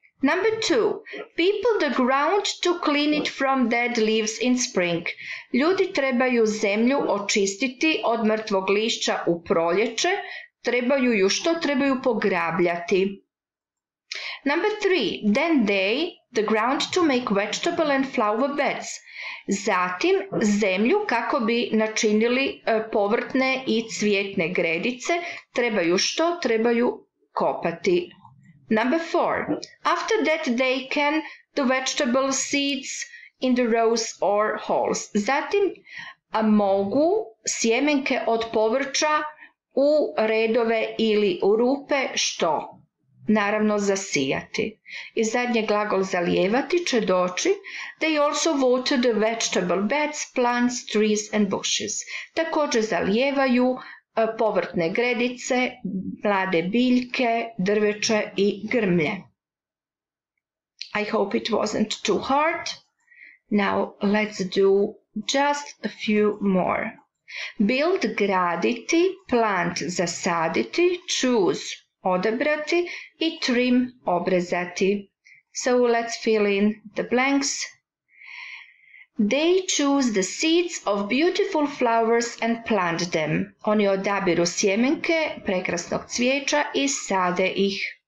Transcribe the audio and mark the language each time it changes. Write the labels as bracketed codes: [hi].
[en] Number two, people the ground to clean it from dead leaves in spring. [hr] Ljudi trebaju zemlju očistiti od mrtvog lišća u proljeće, trebaju ju što trebaju pograbljati. [en] Number three, then they, the ground to make vegetable and flower beds. [hr] Zatim zemlju kako bi načinili povrtne i cvjetne gredice, trebaju što trebaju kopati. [en] Number four, after that they can the vegetable seeds in the rows or holes. [hr] Zatim mogu sjemenke od povrća u redove ili u rupe, što? Naravno zasijati. I zadnje glagol zalijevati će doći. [en] They also water the vegetable beds, plants, trees and bushes. [hr] Također zalijevaju povrtne gredice, mlade biljke, drveće i grmlje. [en] I hope it wasn't too hard. Now let's do just a few more. [hr] Build, graditi, plant, zasaditi, choose, odebrati i trim, obrezati. [en] So let's fill in the blanks. They choose the seeds of beautiful flowers and plant them. [hr] Oni odabiru sjemenke prekrasnog cvijeća i sade ih.